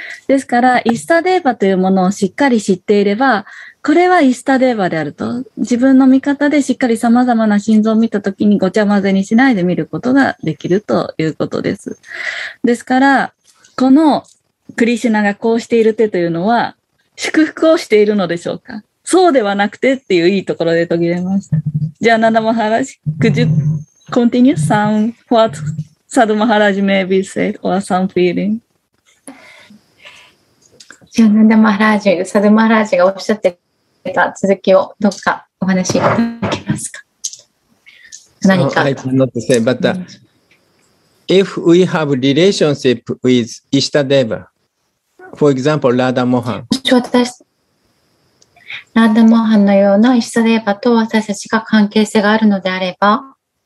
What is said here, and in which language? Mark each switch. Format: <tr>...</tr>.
<ja>ですから、イスタデーバというものをしっかり知っていれば、これはイスタデーバであると、自分の見方でしっかり様々な心臓を見たときにごちゃ混ぜにしないで見ることができるということです。ですから、このクリシュナがこうしている手というのは、祝福をしているのでしょうか？そうではなくてっていういいところで途切れました。</ja> <en>じゃあ、ナナマハラジ、could you continue some what Sadhu Maharaj maybe said or some feeling?</en> <ja>じゃあ、ナナマハラジ、サドマハラジがおっしゃってた続きをどっかお話しいただけますか。</ja> <en>So I cannot say, but、if we have relationship with Ishtadeva, for example, Radha Mohan.</en> <ja>Radha Mohan のような Ishtadeva と私たちが関係性があるのであれば、</ja>